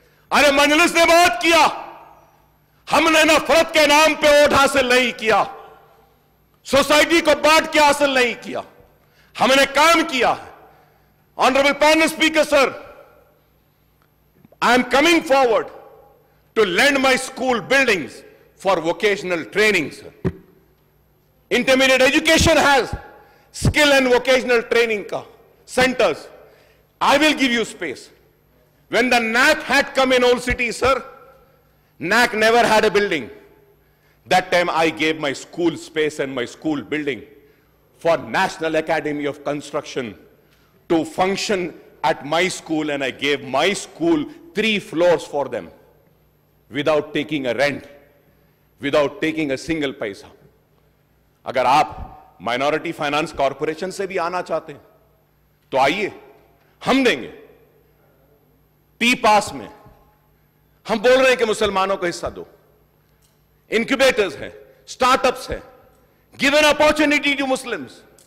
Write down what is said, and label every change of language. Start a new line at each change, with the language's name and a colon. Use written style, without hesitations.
Urdu: ارے مجلس نے بات کیا، ہم نے نفرت کے نام پہ ووٹ حاصل نہیں کیا، سوسائٹی کو بانٹ کے حاصل نہیں کیا، ہم نے کام کیا.
English: Honourable panel speaker sir, I am coming forward to lend my school buildings for vocational training. Intermediate education has skill and vocational training ka centers. I will give you space. When the NAC had come in Old City, sir, NAC never had a building. That time I gave my school space and my school building for National Academy of Construction to function at my school, and I gave my school 3 floors for them without taking a rent, without taking a single paisa.
Urdu: اگر آپ minority finance corporation سے بھی آنا چاہتے ہیں تو آئیے، ہم دیں گے ٹی پاس میں. ہم بول رہے ہیں کہ مسلمانوں کو حصہ دو. انکیوبیٹرز ہیں، اسٹارٹ اپس ہیں،
English: Give an opportunity to Muslims.